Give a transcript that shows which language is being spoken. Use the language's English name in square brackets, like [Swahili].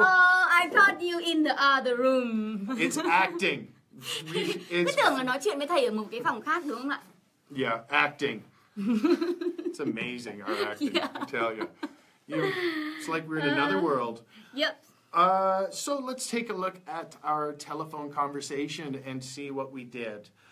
[English] Oh, I thought you in the other room. It's acting. [Vietnamese] Cứ tưởng là nói chuyện với thầy ở một cái phòng khác đúng không ạ? [English] Yeah, acting. It's amazing, our acting, yeah. I tell you. It's like we're in another world. Yep. So let's take a look at our telephone conversation and see what we did.